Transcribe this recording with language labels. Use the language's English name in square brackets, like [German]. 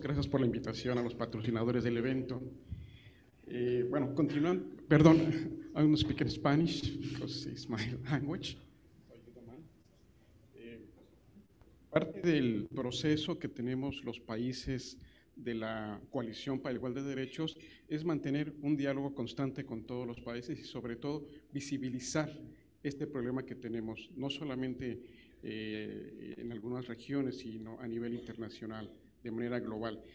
[Spanish] Gracias por la invitación a los patrocinadores del evento. Bueno, continuando, perdón, [English] I don't speak in Spanish because it's my language. [Spanish] Parte del proceso que tenemos los países de la coalición para la igualdad de derechos es mantener un diálogo constante con todos los países y sobre todo visibilizar este problema que tenemos, no solamente en algunas regiones, sino a nivel internacional, de manera global.